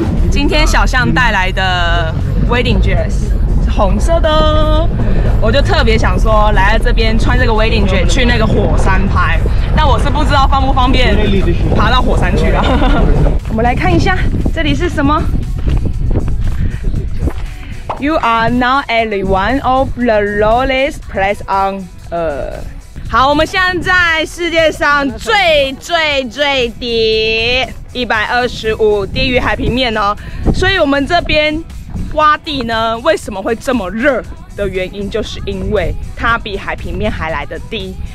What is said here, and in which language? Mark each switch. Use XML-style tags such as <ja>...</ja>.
<zh>今天小象带来的 wedding dress 是红色的，我就特别想说来了这边穿这个 wedding dress 去那个火山拍，但我是不知道方不方便爬到火山去了。我们来看一下这里是什么。</zh> <en>You are now at one of the lowest place on earth。</en> <zh>好，我们现在世界上最最最低125低于海平面哦，所以我们这边洼地呢为什么会这么热的原因就是因为它比海平面还来得低。</zh>